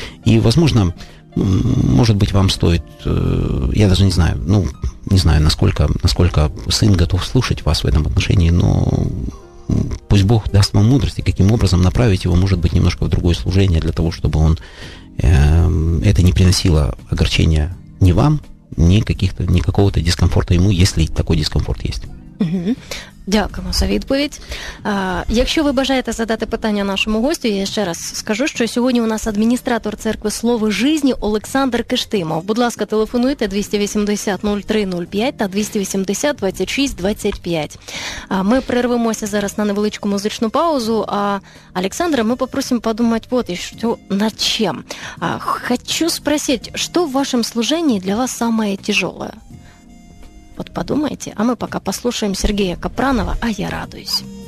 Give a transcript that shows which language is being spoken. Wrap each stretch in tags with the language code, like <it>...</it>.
<ru>И, возможно, может быть, вам стоит, я даже не знаю, ну, не знаю, насколько сын готов слушать вас в этом отношении, но пусть Бог даст вам мудрость, и каким образом направить его, может быть, немножко в другое служение, для того, чтобы он это не приносило огорчения ни вам, ні какого-то</ru> <uk>дискомфорту йому, якщо такий дискомфорт є. Угу. Дякуємо за відповідь. Якщо ви бажаєте задати питання нашому гостю, я ще раз скажу, що сьогодні у нас адміністратор церкви «Слово жизні» Олександр Киштимов. Будь ласка, телефонуйте 280-03-05 та 280-26-25. Ми перервемося зараз на невеличку музичну паузу, а Олександра ми попросимо подумати от і що над чим. Хочу спросити, що в вашому служенні для вас саме тяжеле?</uk> <ru>Вот подумайте, а мы пока послушаем Сергея Капранова, а я радуюсь.</ru>